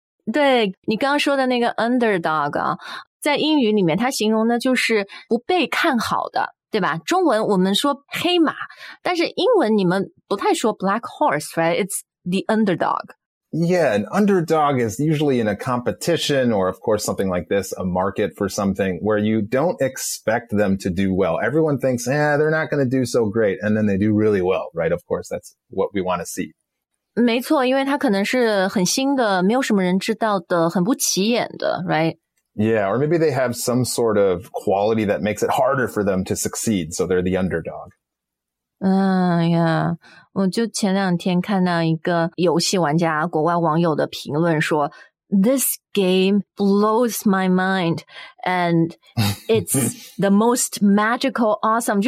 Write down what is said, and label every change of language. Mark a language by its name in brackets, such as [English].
[Chinese] 对，你刚刚说的那个 underdog 啊。在英语里面它形容的就是不被看好的对吧中文我们说黑马但是英文你们不太说 [English] black horse, right? It's the underdog. Yeah, an underdog is usually in a competition or of course something like this, a market for something where you don't expect them to do well. Everyone thinks, yeah, they're not going to do so great. And then they do really well, right? Of course, that's what we want to see. [Chinese] 没错因为它可能是很新的没有什么人知道的很不起眼的 [English] right? Yeah, or maybe they have some sort of quality that makes it harder for them to succeed, so they're the underdog. [Chinese] Yeah. 我就前两天看到一个游戏玩家国外网友的评论说 [English] This game blows my mind, and it's the most magical, awesome.